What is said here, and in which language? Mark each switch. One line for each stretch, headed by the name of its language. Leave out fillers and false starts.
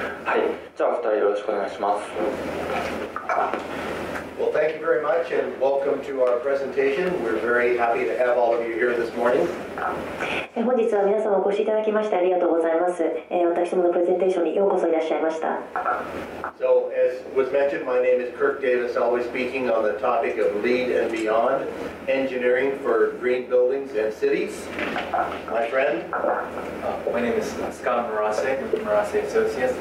Japanese: はい、じゃあお二人よろしくお願いします。
English: Well, thank you very much and welcome to our presentation. We're very happy to have all of you here this morning.
Japanese: 本日は皆様お越しいただきましてありがとうございます。私どものプレゼンテーションにようこそいらっしゃいました。
English: So, as was mentioned, my name is Kirk Davis. I'll be speaking on the topic of LEED and Beyond, engineering for green buildings and cities. My friend? My name is Scott Marase with Marase Associates.